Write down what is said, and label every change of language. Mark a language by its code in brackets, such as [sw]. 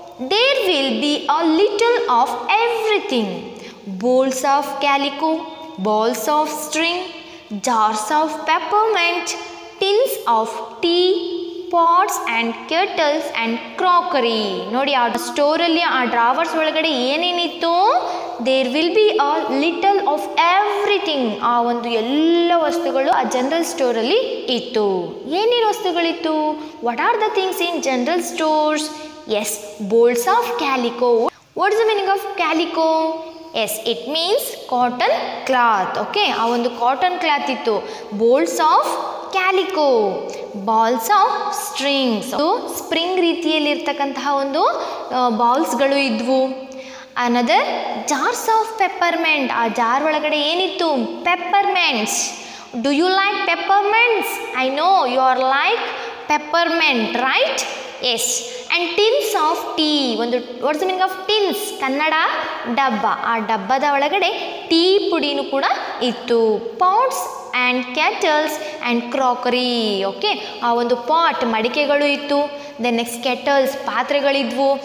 [en] There will be a little of everything. Bowls of calico, balls of string, jars of peppermint, tins of tea, pots and kettles and crockery. [kn] ನೋಡಿ ಆ ಸ್ಟೋರಲ್ಲಿ ಆ drawers ಒಳಗಡೆ ಏನೇನಿತ್ತು. [en] There will be a little of everything. [kn] ಆ ಒಂದು ಎಲ್ಲ ವಸ್ತುಗಳು ಆ general ಸ್ಟೋರಲ್ಲಿ ಇತ್ತು. ಏನೇನು ವಸ್ತುಗಳಿತ್ತು? [en] What are the things in general stores? Yes, bolts of calico. What is the meaning of calico? Yes, it means cotton cloth. Okay, [kn] ಆ ಒಂದು ಕಾಟನ್ ಕ್ಲಾತ್ ಇತ್ತು. [en] bolts of calico, balls of strings, [kn] spring ರೀತಿಯಲ್ಲಿ ಇರ್ತಕ್ಕಂತಹ ಒಂದು ಬಾಲ್ಸ್ಗಳು ಇದ್ವು. [en] Another, jars of peppermint. [kn] ಆ jar ಒಳಗಡೆ ಏನಿತ್ತು? [en] Peppermints. Do you like peppermints? I know you are like peppermint, right? Yes. And tins of tea. What is the meaning of tins? Kannada, dabba. [kn] A dabba da olagade tea pudinu kuda ittu. [en] Pots and kettles and crockery. [kn] Okay. A ondu pot madikegalu ittu. [en] Then next kettles, [kn] patregalidvu.